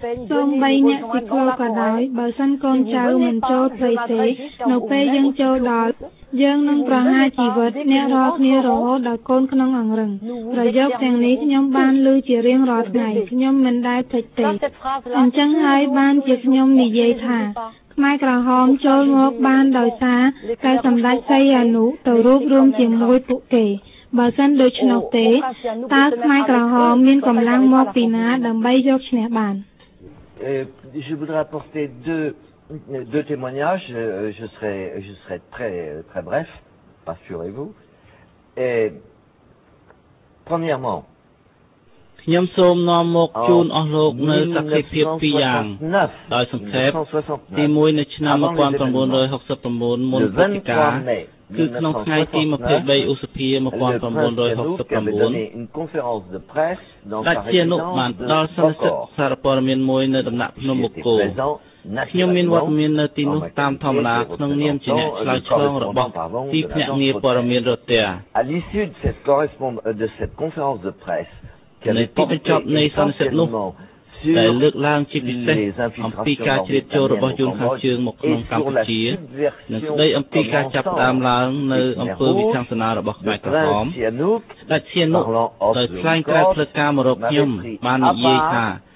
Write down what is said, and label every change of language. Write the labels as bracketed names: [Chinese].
[Khmer] សូមបីអ្នកទីក្រុងក៏ដោយបើសិនកូនចៅមិនចូលព្រៃទេនៅពេលយើងចូលដល់យើងនឹងប្រហារជីវិតអ្នករាល់គ្នារហូតដល់កូនក្នុងអង្រឹងប្រយោគទាំងនេះខ្ញុំបានឮជារៀងរាល់ថ្ងៃខ្ញុំមិនដែលភ្លេចទេអញ្ចឹងហើយបានជាខ្ញុំនិយាយថាខ្មែរក្រហមចូលមកបានដោយសារតែសម្ដេចសីហនុទៅរួបរួមជាមួយពួកគេបើមិនដូច្នោះទេតើខ្មែរក្រហមមានកម្លាំងមកពីណាដើម្បីយកឈ្នះបាន [French] Deux témoignages, je serai très, très bref, rassurez-vous. Et premièrement, [Khmer] ខ្ញុំសូមនាំមកជូនអស់លោកនៅសកម្មភាពពីរយ៉ាងដោយសង្ខេបទី1នៅឆ្នាំ1969មុនព្រឹត្តិការណ៍គឺក្នុងថ្ងៃទី23ឧសភា1969 ដែលជានុបានដល់សន្និសីទសារព័ត៌មានមួយនៅដំណាក់ភ្នំបូកគោ ខ្ញុំមានវត្តមាននៅទីនោះតាមធម្មតាក្នុងនាមជាអ្នកឆ្លើយឆ្លងរបស់ទីភ្នាក់ងារព័ត៌មានរដ្ឋាភិបា [French] ល À l'issue de cette correspondance de cette conférence de presse qui a été tenue [Khmer] នៅសន្និសីទនោះដែលលើកឡើងជាពិសេសអំពីការជ្រៀតចូលរបស់យួនខាងជើងមកក្នុងកម្ពុជានិងស្ដីអំពីការចាប់ដើមឡើងនៅអំពើវិសាសនារបស់ខ្មែរក្រហមដែលឈាននោះដោយខ្លាំងក្រៅផ្លូវការមករកខ្ញុំបាននិយាយថា